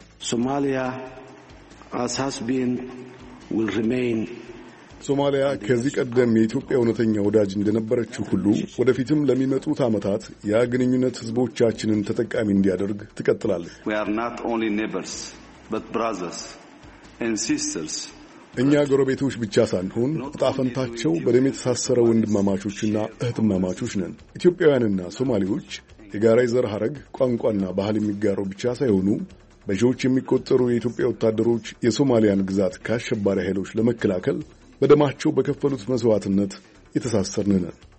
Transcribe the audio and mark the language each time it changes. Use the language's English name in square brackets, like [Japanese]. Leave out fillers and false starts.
[English] ሶማሊያ as has been will remain [Amharic] ሶማሊያ ከዚህ ቀደም የኢትዮጵያ ወነተኛ ወዳጅ እንደነበረችው ሁሉ ወደፊትም ለሚመጡት አመታት ያ ግንኙነት ህዝቦቻችንን ተጠቃሚ እንዲያደርግ ትቀጥላለች። [English] We are not only neighbors but brothers and sisters [Amharic] እኛ ጎረቤቶች ብቻ ሳንሆን ጣፈንታቸው በደም የተሳሰረ ወንድማማቾችና እህትማማቾች ነን። ኢትዮጵያውያንና ሶማሌዎች የጋራ ዘር ሐረግ፣ ቋንቋና ባህል የሚጋሩ ብቻ ሳይሆኑ በጆች የሚቆጠሩ የኢትዮጵያ ወታደሮች የሶማሊያን ግዛት ከአሸባሪ ኃይሎች ለመከላከል በደማቸው በከፈሉት መስዋዕትነት የተሳሰርን ነን።